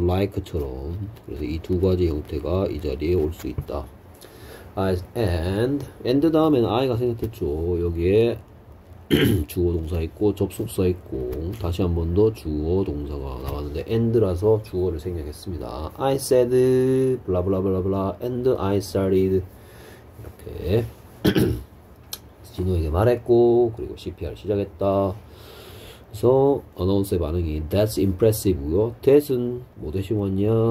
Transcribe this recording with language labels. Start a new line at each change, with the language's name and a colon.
Korean: like처럼. 그래서 이두 가지 형태가 이 자리에 올수 있다. and 다음에는 I가 생각했죠. 여기에 주어 동사 있고, 접속사 있고, 다시 한번더 주어 동사가 나왔는데, and라서 주어를 생략했습니다.
English: I said, blah blah blah blah, and I started.
Korean: 이렇게 진호에게 말했고 그리고 CPR 시작했다. 그래서 어나운서의 반응이
English: That's impressive
Korean: 고요. That은 뭐 대신 왔냐?